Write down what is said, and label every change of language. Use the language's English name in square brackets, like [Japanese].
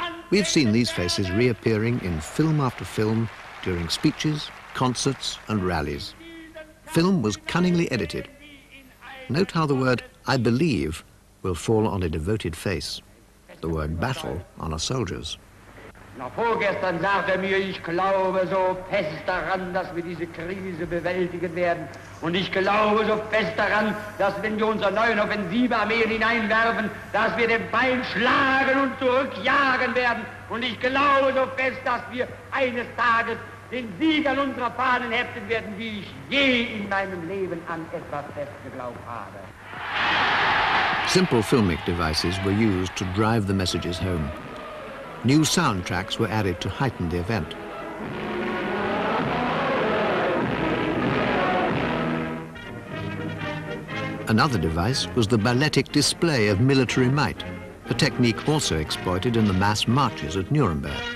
[English] We've seen these faces reappearing in film after film during speeches, concerts and rallies. Film was cunningly edited. Note how the word "I believe" will fall on a devoted face, the word "battle" on a soldier's. [German] Noch vorgestern sagte er mir, ich glaube so fest daran, dass wir diese Krise bewältigen werden. Und ich glaube so fest daran, dass wenn wir unsere neuen Offensivarmeen hineinwerfen, dass wir den Feind schlagen und zurückjagen werden. Und ich glaube so fest, dass wir eines Tages den Sieg an unserer Fahnen heften werden, wie ich je in meinem Leben an etwas fest geglaubt habe. [English] Simple filmic devices were used to drive the messages home. New soundtracks were added to heighten the event. Another device was the balletic display of military might, a technique also exploited in the mass marches at Nuremberg.